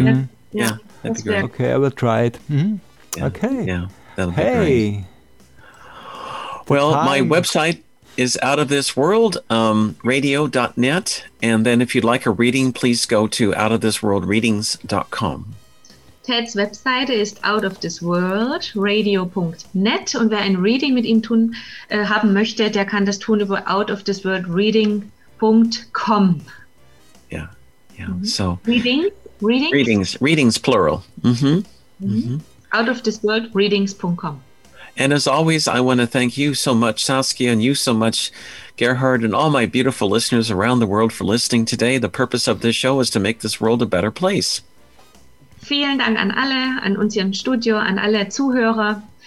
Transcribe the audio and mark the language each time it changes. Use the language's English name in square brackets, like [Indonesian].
[English] Mm-hmm. Yeah, that'd be great. Okay, I will try it. Mm-hmm. Yeah. Okay. Yeah, that'll be great. Well, my website is out of this world, radio.net. And then if you'd like a reading, please go to outofthisworldreadings.com. [German] Teds Webseite ist outofthisworldradio.net und wer ein Reading mit ihm tun haben möchte, der kann das tun über outofthisworldreading.com. Ja, ja, so. [English] Readings? Readings, plural. Mm-hmm. Mm-hmm. Outofthisworldreadings.com. And as always, I want to thank you so much, Saskia, and you so much, Gerhard, and all my beautiful listeners around the world for listening today. The purpose of this show is to make this world a better place. [German] Vielen Dank an alle, an uns hier im Studio, an alle Zuhörer.